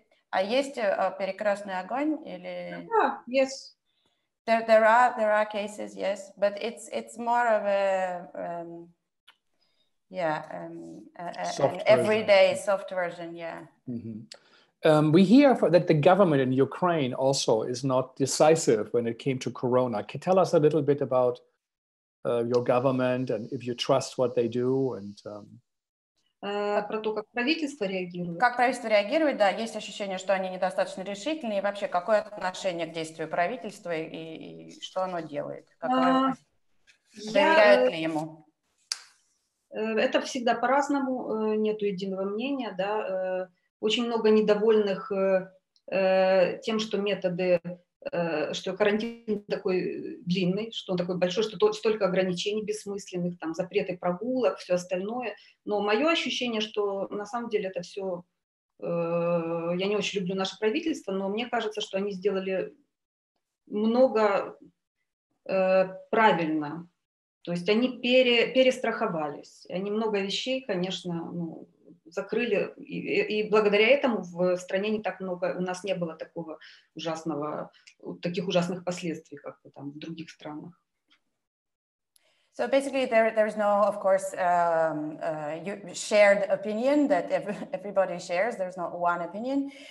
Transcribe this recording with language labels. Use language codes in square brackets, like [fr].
[ru] А есть перекрестный огонь или? [en] Yes. There are cases, yes, but it's more of a an everyday soft version, yeah. Mm-hmm. We hear that the government in Ukraine also is not decisive when it came to Corona. Can you tell us a little bit about your government and if you trust what they do and. [ru] Про то, как правительство реагирует. Как правительство реагирует, да, есть ощущение, что они недостаточно решительны, и вообще, какое отношение к действию правительства и что оно делает? Доверяют ли ему? Это всегда по-разному, нету единого мнения, да. Очень много недовольных тем, что методы, что карантин такой длинный, что он такой большой, что столько ограничений бессмысленных, там запреты прогулок, все остальное. Но мое ощущение, что на самом деле это все... я не очень люблю наше правительство, но мне кажется, что они сделали много правильно. То есть они перестраховались. Они много вещей, конечно, закрыли, и благодаря этому в стране не так много, у нас не было такого ужасного, таких ужасных последствий, как там в других странах. [en] So basically there is no, of course, shared opinion that everybody shares, there's not one opinion.